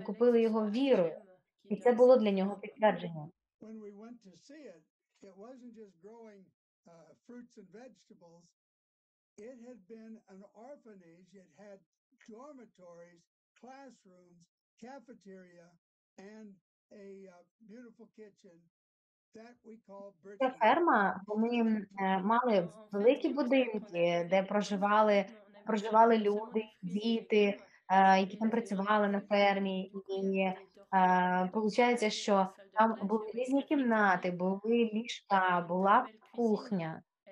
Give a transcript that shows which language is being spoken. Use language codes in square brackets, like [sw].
[uk] Вони купили його вірою, і це було для нього підтвердження. [en] When we went to see it, it wasn't just growing fruits and vegetables, it had been an orphanage. It had dormitories, classrooms, cafeteria, and a beautiful kitchen that we call Britain. [uk] Ця ферма, вони мали великі будинки, де проживали люди, діти, які там працювали на фермі. І виходить, що там були різні кімнати, були ліжка, була кухня.